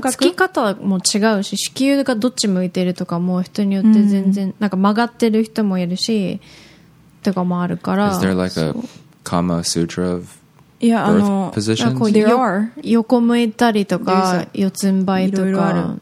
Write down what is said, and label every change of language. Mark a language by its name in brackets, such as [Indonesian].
[Japanese] やっぱつき方も違うし、子宮がどっち向いてるとかも人によって全然、なんか曲がってる人もいるし、とかもあるから。 [English] Is there like a Kama Sutra of birth positions? Yeah, there are. [Japanese] 横向いたりとか、四つん這いとか。